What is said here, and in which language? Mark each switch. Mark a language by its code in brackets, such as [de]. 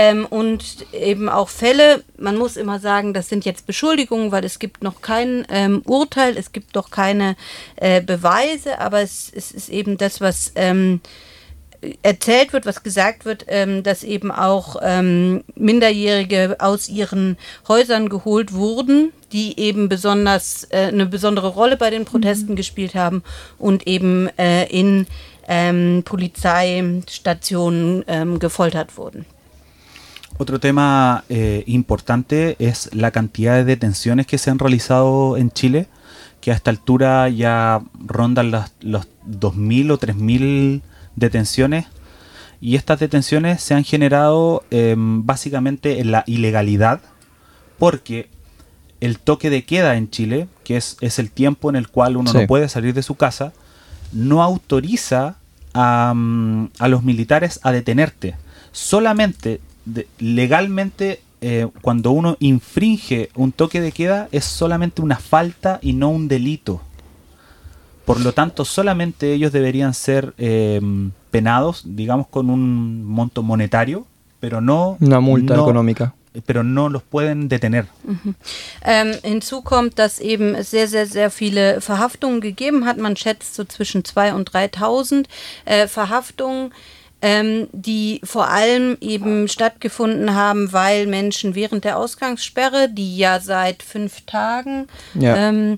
[de] Und eben auch Fälle, man muss immer sagen, das sind jetzt Beschuldigungen, weil es gibt noch kein Urteil, es gibt noch keine Beweise, aber es ist eben das, was erzählt wird, was gesagt wird, dass eben auch Minderjährige aus ihren Häusern geholt wurden, die eben besonders eine besondere Rolle bei den Protesten mhm. gespielt haben und eben in Polizeistationen gefoltert wurden. [es] Otro tema importante es la cantidad de detenciones que se han realizado en Chile, que a esta altura ya rondan los 2.000 o 3.000 detenciones. Y estas detenciones se han generado básicamente en la ilegalidad, porque el toque de queda en Chile, que es el tiempo en el cual uno Sí. No puede salir de su casa, no autoriza a los militares a detenerte. Solamente... legalmente cuando uno infringe un toque de queda es solamente una falta y no un delito, por lo tanto solamente ellos deberían ser penados, digamos, con un monto monetario, pero no una multa económica, pero no los pueden detener. Mm-hmm. [de] Hinzu kommt, dass eben sehr, sehr, sehr viele Verhaftungen gegeben hat, man schätzt so zwischen 2.000 und 3.000 Verhaftungen, die vor allem eben stattgefunden haben, weil Menschen während der Ausgangssperre, die ja seit 5 Tagen ja.